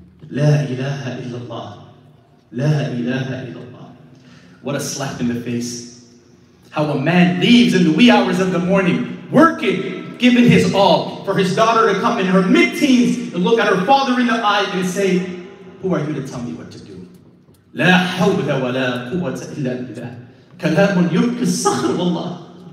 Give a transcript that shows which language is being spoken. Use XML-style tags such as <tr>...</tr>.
<ar>لا إله إلا الله لا إله إلا الله</ar> <en>What a slap in the face. How a man leaves in the wee hours of the morning, working, giving his all, for his daughter to come in her mid-teens and look at her father in the eye and say, who are you to tell me what to do?</en> <ar>لا حول ولا قوة إلا بالله. كلام يبكي الصخر والله.</ar>